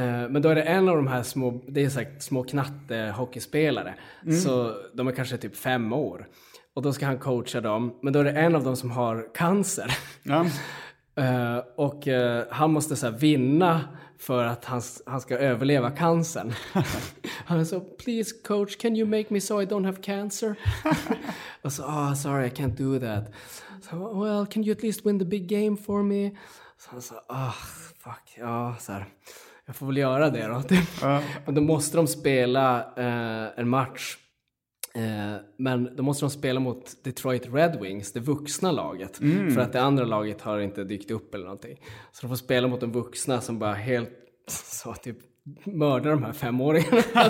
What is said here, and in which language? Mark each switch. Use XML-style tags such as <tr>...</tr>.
<sv>Men då är det en av de här små, det är sagt, små knatte hockeyspelare. Så de är kanske typ 5 år. Och då ska han coacha dem. Men då är det en av dem som har cancer. Ja. och han måste så här vinna för att han ska överleva cancern. Han är så,</sv> <en>please coach, can you make me so I don't have cancer?</en> <sv>Och så,</sv> <en>oh, sorry, I can't do that. So, well, can you at least win the big game for me?</en> <sv>Så han sa, oh, fuck, ja, så här. Jag får väl göra det då. Men då måste de spela en match. Men då måste de spela mot Detroit Red Wings, det vuxna laget. För att det andra laget har inte dykt upp eller någonting. Så de får spela mot de vuxna som bara helt så typ mördar de här 5-åringarna.</sv>